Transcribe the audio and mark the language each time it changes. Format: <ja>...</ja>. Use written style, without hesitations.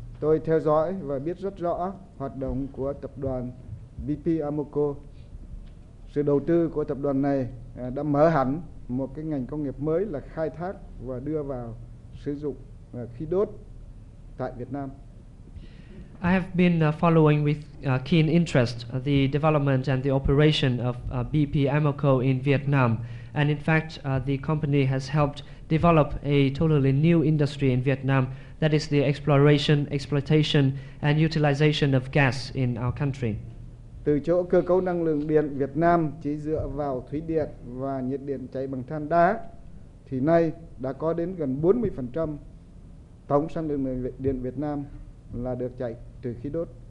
<vi>Tôi theo dõi và biết rất rõ hoạt động của tập đoàn BP Amoco. Sự đầu tư của tập đoàn này đã mở hẳn một cái ngành công nghiệp mới là khai thác và đưa vào sử dụng khí đốt tại Việt Nam.</vi> <en>I have been following with keen interest the development and the operation of BP Amoco in Vietnam. And in fact, the company has helped develop a totally new industry in Vietnam, that is the exploration, exploitation, and utilization of gas in our country.</en> <vi>Từ chỗ cơ cấu năng lượng điện Việt Nam chỉ dựa vào thủy điện và nhiệt điện chạy bằng than đá, thì nay đã có đến gần 40% tổng sản lượng điện Việt Nam là được chạy từ khí đốt.</vi>